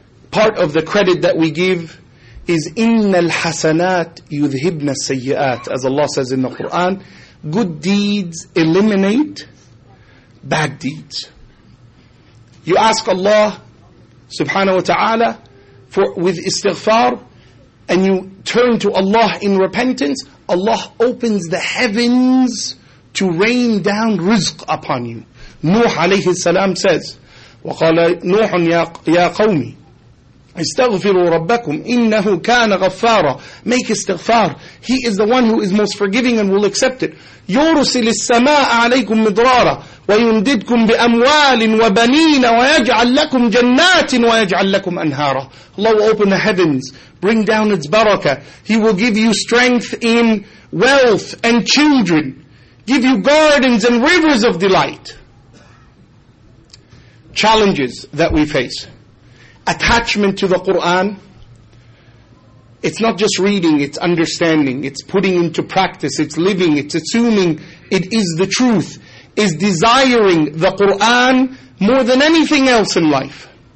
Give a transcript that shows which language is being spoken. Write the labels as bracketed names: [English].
[English] Part of the credit that we give is [Arabic] إِنَّ الْحَسَنَاتِ يُذْهِبْنَ السَّيِّئَاتِ, [English] as Allah says in the Quran, good deeds eliminate bad deeds. You ask Allah subhanahu wa ta'ala for with istighfar and you turn to Allah in repentance, Allah opens the heavens to rain down rizq upon you. [Arabic] Nuh alayhi salam says, وَقَالَ نُوحٌ يَا قَوْمِ استغفروا ربكم إنه كان غفارا. [English] Make استغفار. He is the one who is most forgiving and will accept it. [Arabic] يرسل السماء عليكم مدرارا ويمددكم بأموال وبنين ويجعل لكم جنات ويجعل لكم أنهارا. [English] Allah will open the heavens, bring down its barakah. He will give you strength in wealth and children, give you gardens and rivers of delight. Challenges that we face. Attachment to the Qur'an, it's not just reading, it's understanding, it's putting into practice, it's living, it's assuming it is the truth, is desiring the Qur'an more than anything else in life.